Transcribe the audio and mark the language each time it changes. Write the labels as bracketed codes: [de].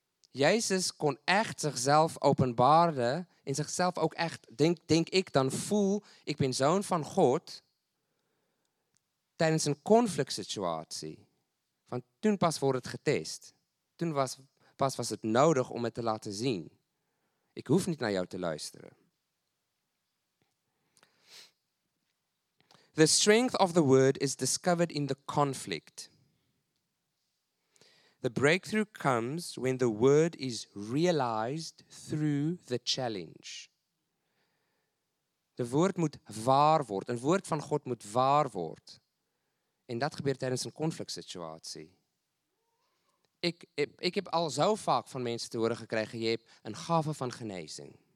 [nl] Jezus kon echt zichzelf openbaren, in zichzelf ook echt, denk ik, dan voel, ik ben zoon van God, tijdens een conflict situatie. Want toen pas wordt het getest. Toen was het nodig om het te laten zien. Ik hoef niet naar jou te luisteren. [en] The strength of the word is discovered in the conflict. The breakthrough comes when the word is realized through the challenge. [nl] Die woord moet waar word. Een woord van God moet waar word. En dat gebeurt tijdens een conflict situatie. Ik heb al zo vaak van mensen te horen gekregen, je hebt een gave van genezing.